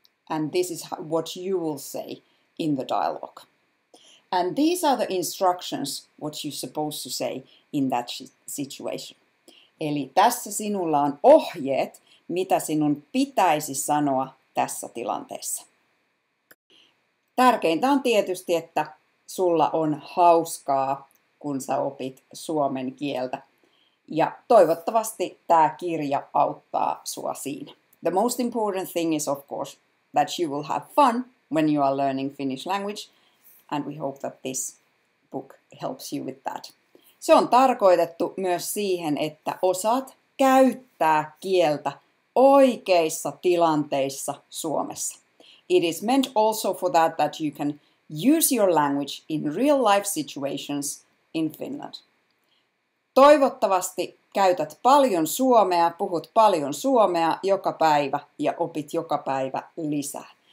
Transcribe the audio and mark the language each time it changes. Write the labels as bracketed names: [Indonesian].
[English] And this is what you will say in the dialogue. And these are the instructions, what you're supposed to say in that situation. [Finnish] Eli tässä sinulla on ohjeet, mitä sinun pitäisi sanoa tässä tilanteessa. Tärkeintä on tietysti, että sulla on hauskaa, kun sä opit suomen kieltä. Ja toivottavasti tämä kirja auttaa sua siinä. [English] The most important thing is of course that you will have fun when you are learning Finnish language. And we hope that this book helps you with that. [Finnish] Se on tarkoitettu myös siihen, että osaat käyttää kieltä oikeissa tilanteissa Suomessa. [English] It is meant also for that you can use your language in real life situations in Finland. [Finnish] Toivottavasti käytät paljon suomea, puhut paljon suomea joka päivä ja opit joka päivä lisää.